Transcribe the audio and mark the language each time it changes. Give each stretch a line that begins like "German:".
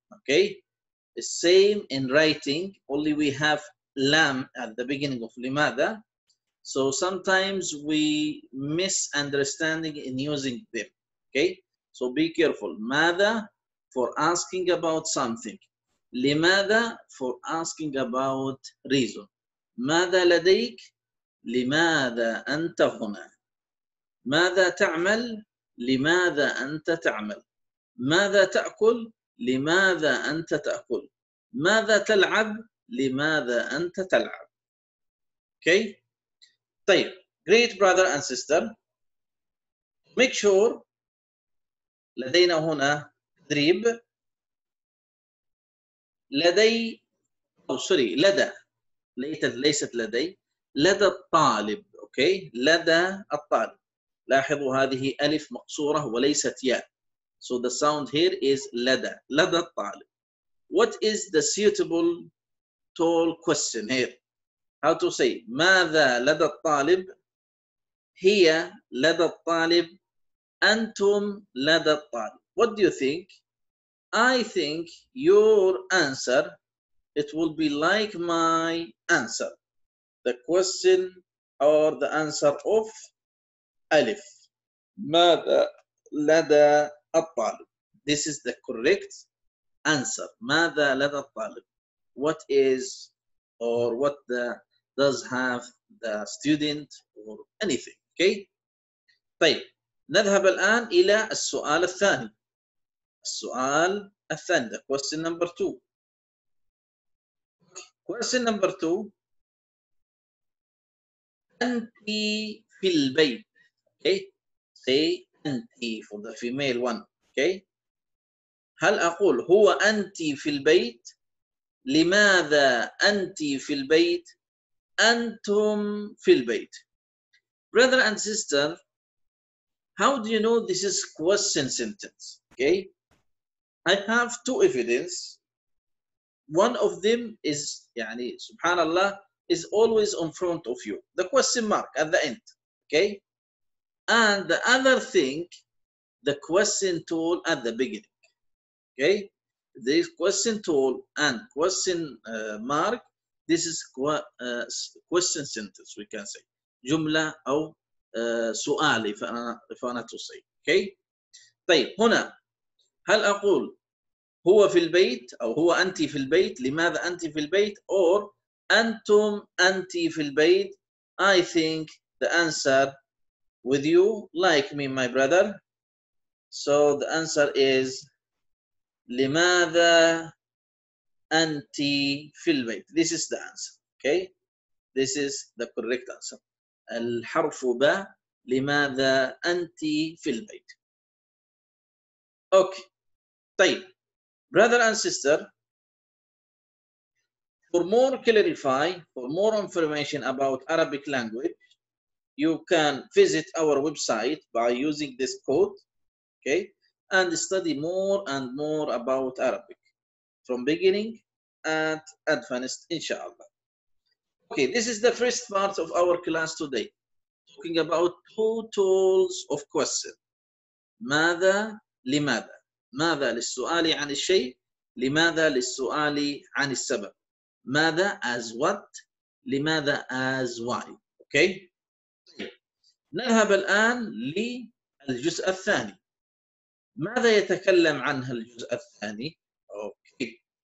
English: Okay, it's same in writing, only we have lam at the beginning of لماذا. So sometimes we misunderstanding in using them. Okay, so be careful. ماذا for asking about something, لماذا for asking about reason.
Arabic: ماذا لديك؟ لماذا أنت هنا؟ ماذا تعمل؟ لماذا أنت تعمل؟ ماذا تأكل؟ لماذا أنت تأكل؟ ماذا تلعب؟ لماذا أنت تلعب؟ okay.
English: طيب great brother and sister, make sure
Arabic: لدينا هنا تدريب. لدي أو سوري لدى ليست لدي لدى الطالب. أوكي لدى الطالب، لاحظوا هذه ألف مقصورة وليست ياء.
English: So the sound here is
Arabic: لدى، لدى الطالب.
English: What is the suitable tall question here? How to say
Arabic: ماذا لدى الطالب؟ هي لدى الطالب، أنتم لدى الطالب.
English: What do you think? I think your answer, it will be like my answer. The question or the answer of Alif.
Arabic: ماذا لدى الطالب?
English: This is the correct answer.
Arabic: ماذا لدى الطالب?
English: What is or what the, does have the student or anything. Okay? طيب.
Arabic: نذهب الآن إلى السؤال الثاني. السؤال الثاني.
English: The question number two. Question number two.
Arabic: أنت في البيت.
English: Okay. Say أنت for the female one. Okay.
Arabic: هل أقول هو أنت في البيت؟ لماذا أنت في البيت؟ أنتم في البيت.
English: Brother and sister, how do you know this is question sentence? Okay. I have two evidence. One of them is, يعني, subhanallah, is always in front of you. The question mark at the end. Okay? And the other thing, the question tool at the beginning. Okay? This question tool and question mark, this is question sentence, we can say.
Arabic: جملة أو سؤال,
English: if I want to say. Okay?
Arabic: طيب, هنا, هل أقول هو في البيت أو هو أنت في البيت؟ لماذا أنت في البيت؟ Or أنتم أنت في البيت؟
English: I think the answer with you like me, my brother. So the answer is
Arabic: لماذا أنت في البيت.
English: This is the answer. Okay, this is the correct answer.
Arabic: الحرف ب لماذا أنت في البيت.
English: Okay. طيب. Brother and sister, for more clarify, for more information about Arabic language, you can visit our website by using this code, okay, and study more and more about Arabic from beginning and advanced, inshallah. Okay, this is the first part of our class today, talking about totals of question.
Arabic: ماذا لماذا? ماذا للسؤال عن الشيء؟ لماذا للسؤال عن السبب؟ ماذا as what؟ لماذا as why؟ okay. نذهب الآن للجزء الثاني. ماذا يتكلم عنه الجزء الثاني؟ okay.